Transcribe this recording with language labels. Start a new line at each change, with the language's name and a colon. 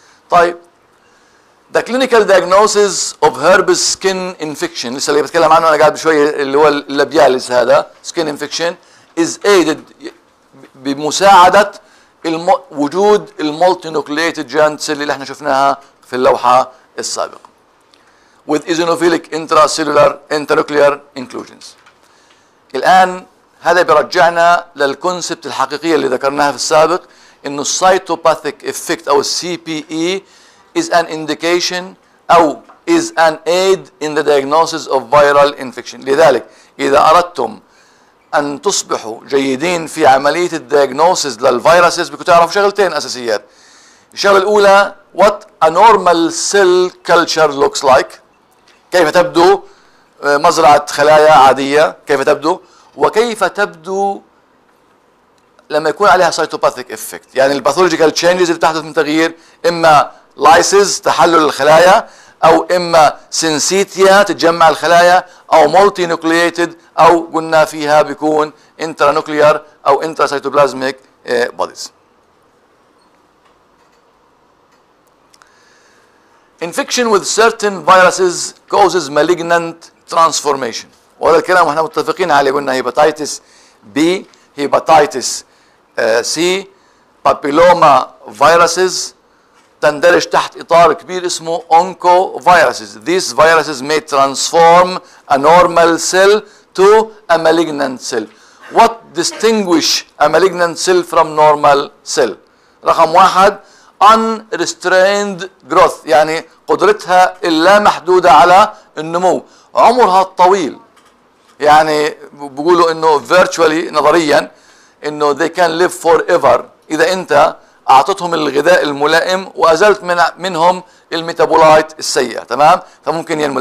Arabic: طيب
English: The clinical diagnosis of herpes skin infection،
Arabic: لسه اللي بتكلم عنه أنا قاعد بشوية اللي هو اللابيالس هذا
English: skin infection، is aided
Arabic: بمساعدة وجود المولتينوكليتد جاينت سيل اللي احنا شفناها في اللوحة السابقة
English: with eosinophilic intracellular intranuclear inclusions.
Arabic: الآن هذا بيرجعنا للكونسبت الحقيقية اللي ذكرناها في السابق، إنه
English: cytopathic effect أو CPE is an indication أو is an aid in the diagnosis of viral infection.
Arabic: لذلك إذا أردتم أن تصبحوا جيدين في عملية الدياجنوسيس للفيروسز بكون تعرفوا شغلتين أساسيات. الشغلة الأولى
English: what a normal cell culture looks like،
Arabic: كيف تبدو مزرعة خلايا عادية، كيف تبدو وكيف تبدو لما يكون عليها cytopathic effect، يعني الباثولوجيكال changes اللي تحدث من تغيير إما لايسز تحلل الخلايا او اما سينسيتيا تتجمع الخلايا او مولتي نوكليتد او قلنا فيها بيكون انترا نوكليار او انترا سيتوبلازميك بوديز.
English: Infection with certain viruses causes malignant transformation.
Arabic: وهذا الكلام احنا متفقين عليه. قلنا هيباتيتس بي, هيباتيتس سي, بابيلوما viruses تندرج تحت اطار كبير اسمه اونكو viruses.
English: These viruses may transform a normal cell to a malignant cell. What distinguish a malignant cell from normal cell?
Arabic: رقم واحد,
English: unrestrained growth,
Arabic: يعني قدرتها اللا محدودة على النمو, عمرها الطويل. يعني بيقولوا انه virtually, نظريا انه
English: they can live forever
Arabic: اذا انت اعطتهم الغذاء الملائم وازلت منهم الميتابولايت السيئة, تمام؟ فممكن ينمو.